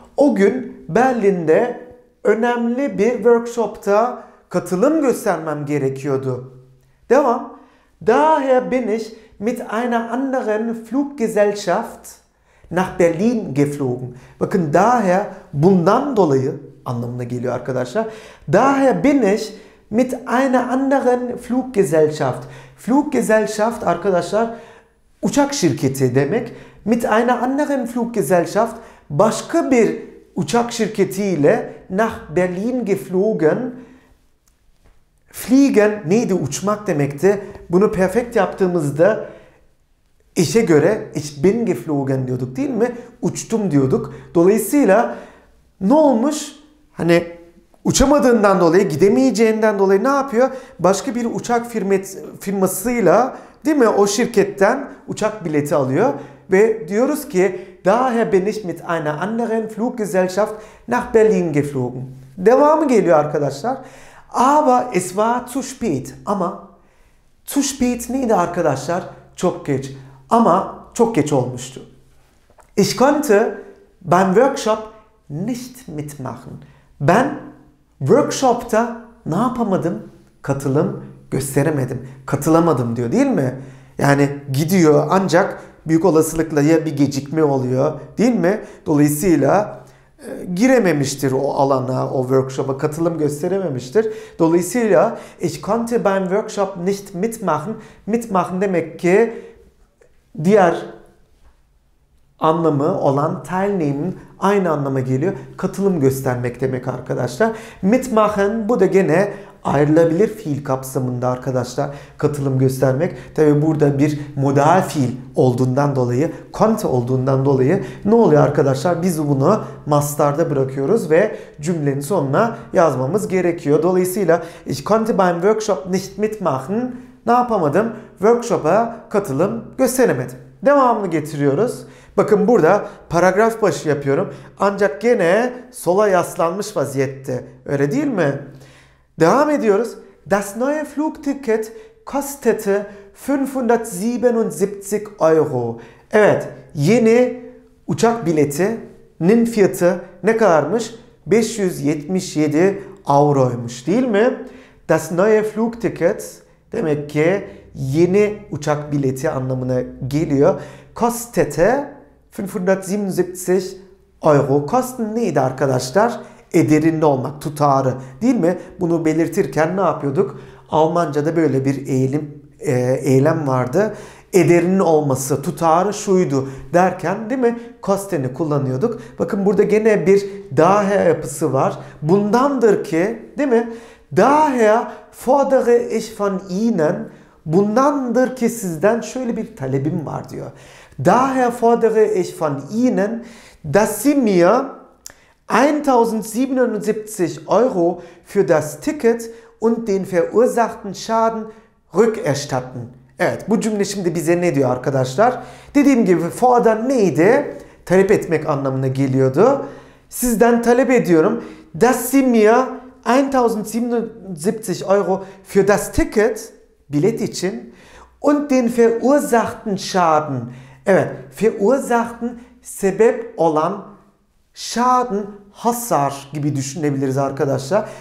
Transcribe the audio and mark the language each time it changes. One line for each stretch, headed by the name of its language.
Turkish: O gün Berlin'de önemli bir workshopta katılım göstermem gerekiyordu. Devam.
German: Daher bin ich mit einer anderen Fluggesellschaft nach Berlin geflogen.
Turkish: Bakın daher bundan dolayı anlamına geliyor arkadaşlar.
German: Daher bin ich mit einer anderen Fluggesellschaft.
Turkish: Fluggesellschaft arkadaşlar uçak şirketi demek.
German: Mit einer anderen Fluggesellschaft
Turkish: başka bir uçak şirketiyle
German: nach Berlin geflogen.
Turkish: Fliegen neydi? Uçmak demekti. Bunu perfekt yaptığımızda işe göre
German: ich bin geflogen
Turkish: diyorduk değil mi? Uçtum diyorduk. Dolayısıyla ne olmuş? Hani uçamadığından dolayı, gidemeyeceğinden dolayı ne yapıyor? Başka bir uçak firmasıyla değil mi? O şirketten uçak bileti alıyor. Ve diyoruz ki
German: Daher bin ich mit einer anderen Fluggesellschaft nach Berlin geflogen.
Turkish: Devamı geliyor arkadaşlar.
German: Aber es war zu spät.
Turkish: Ama zu spät neydi arkadaşlar? Çok geç. Ama çok geç olmuştu.
German: Ich konnte beim Workshop nicht mitmachen.
Turkish: Ben Workshop'ta ne yapamadım? Katılım gösteremedim. Katılamadım diyor değil mi? Yani gidiyor ancak büyük olasılıkla ya bir gecikme oluyor değil mi? Dolayısıyla girememiştir o alana, o workshop'a katılım gösterememiştir.
German: Dolayısıyla ich konnte beim Workshop nicht mitmachen.
Turkish: Mitmachen demek ki diğer anlamı olan teilnehmen aynı anlama geliyor. Katılım göstermek demek arkadaşlar. Mitmachen bu da gene ayrılabilir fiil kapsamında arkadaşlar. Katılım göstermek. Tabi burada bir modal fiil olduğundan dolayı, konnte olduğundan dolayı ne oluyor arkadaşlar? Biz bunu mastarda bırakıyoruz ve cümlenin sonuna yazmamız gerekiyor.
German: Dolayısıyla ich konnte beim Workshop nicht mitmachen.
Turkish: Ne yapamadım? Workshop'a katılım gösteremedim. Devamını getiriyoruz. Bakın burada paragraf başı yapıyorum. Ancak gene sola yaslanmış vaziyette. Öyle değil mi? Devam ediyoruz.
German: Das neue Flugticket kostete 577 euro.
Turkish: Evet. Yeni uçak biletinin fiyatı ne kadarmış? 577 euroymuş. Değil mi?
German: Das neue Flugticket
Turkish: demek ki yeni uçak bileti anlamına geliyor.
German: Kostete 577 euro.
Turkish: Kosten neydi arkadaşlar? Ederinde olmak, tutarı değil mi? Bunu belirtirken ne yapıyorduk? Almanca'da böyle bir eylem vardı. Ederinin olması, tutarı şuydu derken değil mi? Kosten'i kullanıyorduk. Bakın burada gene bir daher yapısı var. Bundandır ki değil mi?
German: Daher fordere ich von Ihnen.
Turkish: Bundandır ki sizden şöyle bir talebim var diyor.
German: Daher fordere ich von Ihnen, dass Sie mir 1.770 Euro für das Ticket und den verursachten Schaden rückerstatten.
Turkish: Evet, bu cümle şimdi bize ne diyor arkadaşlar? Dediğim gibi fordern neydi? Talep etmek anlamına geliyordu. Sizden talep ediyorum.
German: Dass Sie mir 1077 Euro für das Ticket,
Turkish: Bilet için,
German: und den verursachten Schaden, evet, verursachten,
Turkish: sebep olan
German: Schaden,
Turkish: hasar gibi düşünebiliriz arkadaşlar.